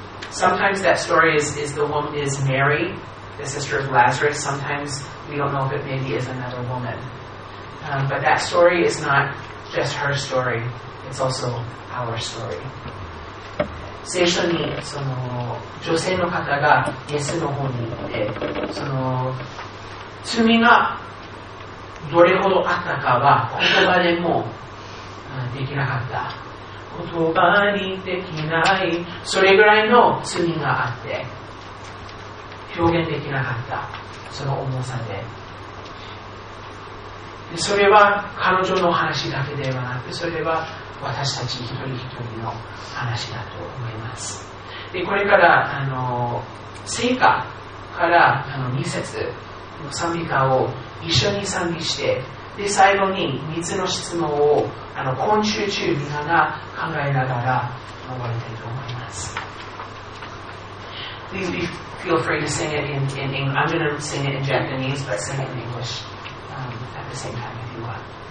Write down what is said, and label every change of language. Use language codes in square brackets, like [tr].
[en] Sometimes that story is the woman is Mary, the sister of Lazarus. Sometimes we don't know if it maybe is another woman. But that story is not just her story, it's also our story. [ja] 聖書にその女性の方がイエスの方に行って、その罪がどれほどあったかは言葉でもできなかった、言葉にできない、それぐらいの罪があって表現できなかった、その重さ で、それは彼女の話だけではなく、それは私たち一人一人の話だと思います。でこれから聖歌から2節の賛美歌を一緒に賛美して、で最後に3つの質問を今週中みんなが考えながら終わりたいと思います。 [en] Please be, feel free to sing it in English. I'm going to sing it in Japanese, but sing it in English at the same time if you want.